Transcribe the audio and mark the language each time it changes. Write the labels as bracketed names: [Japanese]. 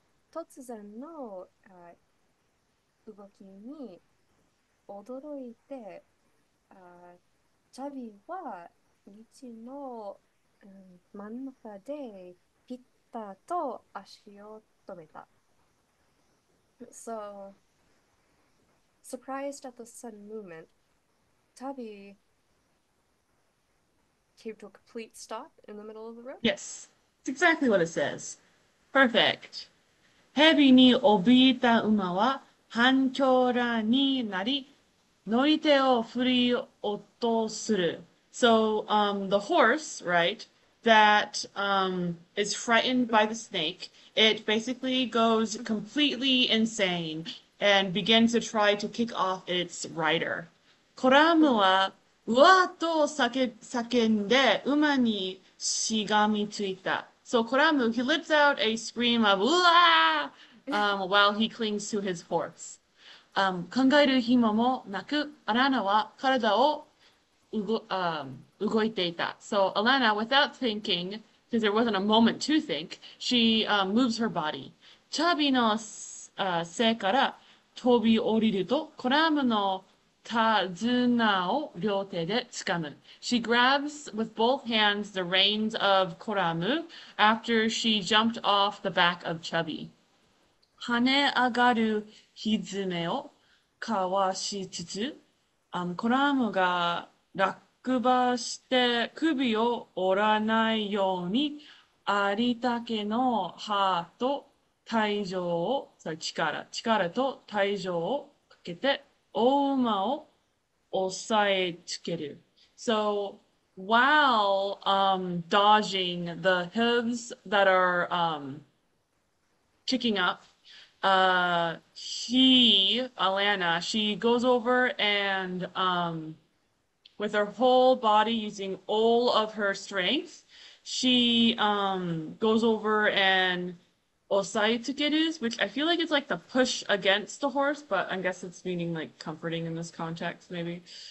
[Japanese] 突然の動きに驚いて、チャビは道の真ん中でピッタと足を止めた。 [English] So, surprised at the sudden movement, Tabby came to a complete stop in the middle of the road. Yes, it's exactly what it says. Perfect. [Japanese] ヘビに怯えた馬は半狂乱になり、乗り手を振り落とする。 [English] So, the horse, right, that is frightened by the snake, it basically goes completely insane. and begin to try to kick off its rider. [Japanese] コラムは、うわーと叫んで、馬にしがみついた。 [English] So, コラム, he lets out a scream of, うわー! While he clings to his horse. [Japanese] 考える暇もなく、アラナは体を動いていた。 [English] So, Alanna, without thinking, because there wasn't a moment to think, she moves her body. [Japanese] チャビの背から飛び降りると、コラムの手綱を両手でつかむ。 [English] She grabs with both hands the reins of コラム after she jumped off the back of Chubby. [Japanese] 跳ね上がる蹄をかわしつつ、コラムが落馬して首を折らないように、ありたけの歯と体重を、力と体重をかけて、大馬を押さえつける。 [English] So, while dodging the hooves that are kicking up, Alanna, she goes over and with her whole body, using all of her strength, she goes over and 押さえつける、which I feel like it's like the push against the horse, but I guess it's meaning like comforting in this context, maybe.